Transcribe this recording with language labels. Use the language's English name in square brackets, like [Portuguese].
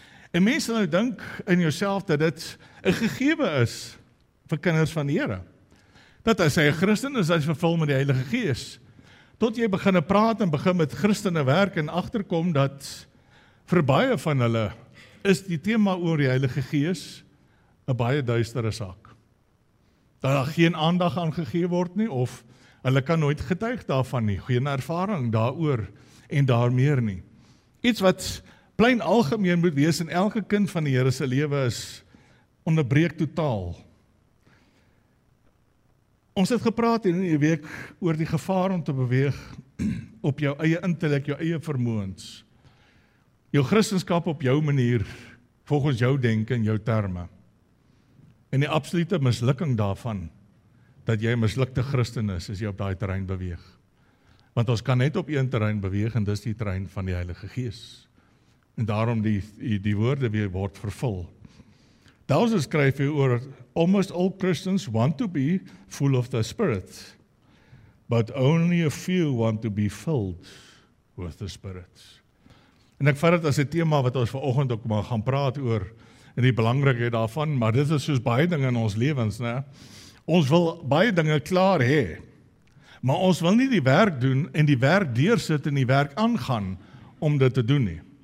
[Afrikaans] En mense nou dink in jouself dat dit 'n gegewe is vir kinders van die Here. Dat as jy 'n Christen is, jy vervul met die Heilige Gees. Tot jy begin praat en begin met Christene werk en agterkom dat vir baie van hulle is die tema oor die Heilige Gees 'n baie duistere saak. Dat daar geen aandag aan gegee word nie, of hulle kan nooit getuig daarvan nie, geen ervaring daaroor en daar meer nie. Iets wat plein algemeen moet wees in elke kind van die Here se lewe is onderbreek totaal. Ons het gepraat in die week oor die gevaar om te beweeg op jou eie intellek, jou eie vermoëns. Jou Christenskap op jou manier, volgens jou denke en jou terme. En die absolute mislukking daarvan, dat jy mislukte Christen is, as jy op daai terrein beweeg. Want ons kan net op een terrein beweeg, en dis die terrein van die Heilige Gees. En daarom die woorde weer word vervul. Dawson skryf hier oor, [English] almost all Christians want to be full of the Spirit, but only a few want to be filled with the Spirit. [Afrikaans] En ek vat dit as 'n tema wat ons vanoggend ook maar gaan praat oor en die belangrikheid daarvan, maar dit is soos baie dinge in ons lewens, né? Ons wil baie dinge klaar hê, maar ons wil nie die werk doen en die werk deursit en die werk aangaan om dit te doen nie.